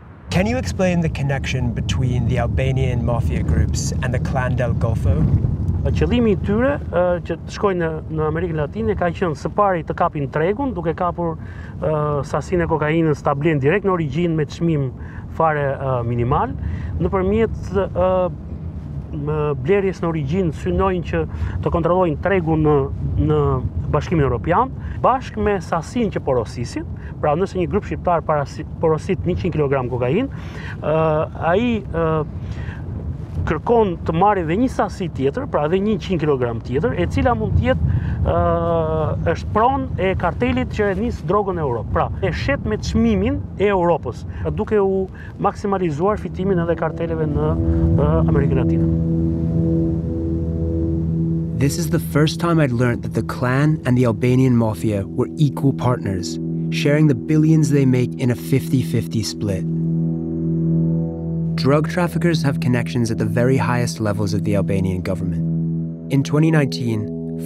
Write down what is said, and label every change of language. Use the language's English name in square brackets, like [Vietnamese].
[English] Can you explain the connection between the Albanian mafia groups and the Clan del Golfo? [Albanian] Qëllimi i tyre që të shkojnë në Amerikën Latine ka qenë së pari të kapin tregun, duke kapur sasinë e kokainës ta blenë direkt në origjinë me çmim fare minimal, nëpërmjet blerjes në origjinë synojnë që të kontrollojnë tregun në Bashkimin Evropian, bashkë me sasinë që porosisin. Pra nëse një grup shqiptar porosit 100 kg kokainë, ai kërkon të marrë edhe një sasi tjetër, pra edhe 100 kg tjetër, e cila mund të jetë është pronë e kartelit që e nis drogën në Europë. Pra, e shet me çmimin e Europës, duke u maksimalizuar fitimin edhe karteleve në Amerikën Latine. [English] This is the first time I'd learned that the Clan and the Albanian Mafia were equal partners, sharing the billions they make in a 50-50 split. Drug traffickers have connections at the very highest levels of the Albanian government. In 2019,